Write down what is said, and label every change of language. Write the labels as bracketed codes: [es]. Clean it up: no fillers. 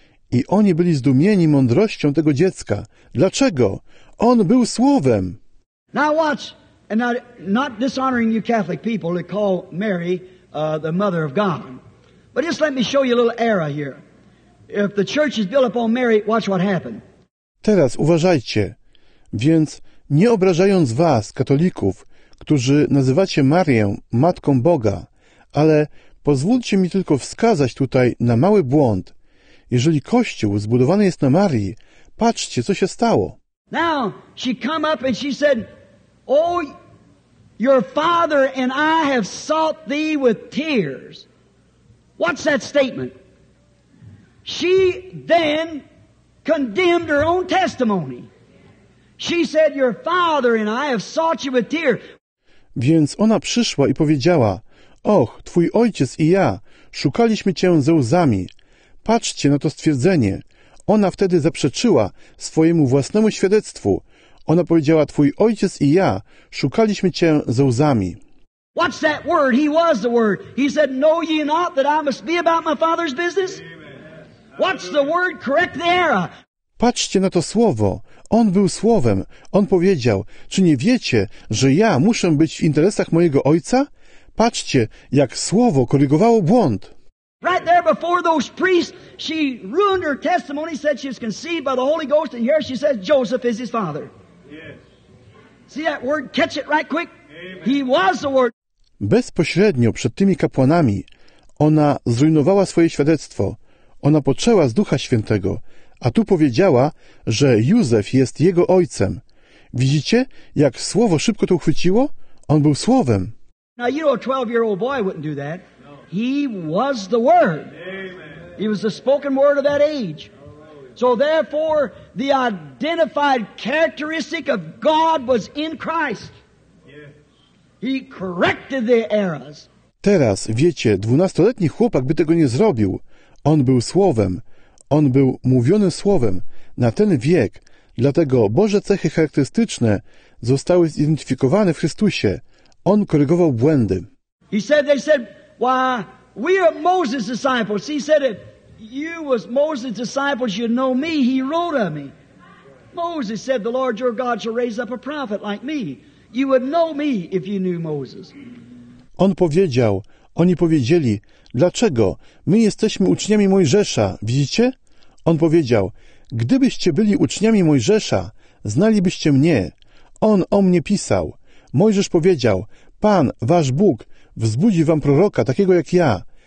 [pl] I oni byli zdumieni mądrością tego dziecka. Dlaczego? On był Słowem. [en] Now watch, and not dishonoring you Catholic people that call Mary the mother of God. But just let me show you a little error here. If the church is built upon Mary, watch what happened. [pl] Teraz uważajcie. Więc nie obrażając was, katolików, którzy nazywacie Marię Matką Boga, ale pozwólcie mi tylko wskazać tutaj na mały błąd. Jeżeli Kościół zbudowany jest na Marii, patrzcie, co się stało. [en] Now she come up and she said, oh, your father and I have sought thee with tears. What's that statement? She then condemned her own testimony. She said, your father and I have sought you with tears. [pl] Więc ona przyszła i powiedziała, och, twój ojciec i ja szukaliśmy cię ze łzami. Patrzcie na to stwierdzenie. Ona wtedy zaprzeczyła swojemu własnemu świadectwu. Ona powiedziała, twój ojciec i ja szukaliśmy cię ze łzami. [en] What's that word? He was the word. He said, know ye not that I must be about my father's business? What's the word? Correct the error. [pl] Patrzcie na to słowo. On był słowem. On powiedział, czy nie wiecie, że ja muszę być w interesach mojego ojca? Patrzcie, jak słowo korygowało błąd. [en] Right there before those priests, she ruined her testimony, said she was conceived by the Holy Ghost, and here she says, Joseph is his father. Yes. See that word? Catch it right quick. Amen. He was the word. [pl] Bezpośrednio przed tymi kapłanami ona zrujnowała swoje świadectwo. Ona poczęła z Ducha Świętego, a tu powiedziała, że Józef jest jego ojcem. Widzicie, jak słowo szybko to uchwyciło? On był słowem. [en] Now you know a 12-year-old boy wouldn't do that. He was the Word. Amen. He was the spoken Word of that age. So therefore, the identified characteristic of God was in Christ. He corrected the errors. [pl] Teraz, wiecie, 12-letni chłopak by tego nie zrobił. On był Słowem. On był mówionym Słowem na ten wiek. Dlatego Boże cechy charakterystyczne zostały zidentyfikowane w Chrystusie. On korygował błędy. [en] They said, why, we are Moses' disciples. He said, if you was Moses' disciples, you'd know me. He wrote of me. Moses said, the Lord your God shall raise up a prophet like me. You would know me if you knew Moses. [pl] On powiedział, oni powiedzieli, dlaczego? My jesteśmy uczniami Mojżesza, widzicie? On powiedział, gdybyście byli uczniami Mojżesza, znalibyście mnie. On o mnie pisał. Mojżesz powiedział, Pan, wasz Bóg, wzbudzi wam proroka takiego jak ja.